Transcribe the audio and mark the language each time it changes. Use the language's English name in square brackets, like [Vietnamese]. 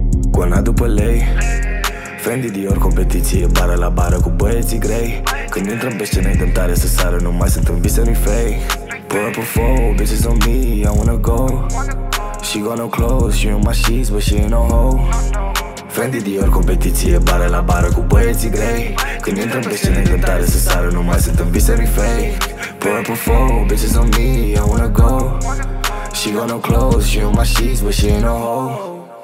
[Romanian] Cona după lei, Fendi Dior, competiție, bară la bară cu băieții grei. Când intrăm pe scenă, dăm tare să sară, nu mai sunt în vise, nu-i fake. [English] Pull up a foe, bitches on me, I wanna go. She got no clothes, she on my sheets, but she ain't no hoe. [Romanian] Fendi Dior, competiție, bară la bară cu băieții grei. Când intrăm pe scenă, dăm tare să sară, nu mai sunt în vise, nu-i fake. [English] Pull up a foe, bitches on me, I wanna go. She got no clothes, she on my sheets, but she ain't no hoe.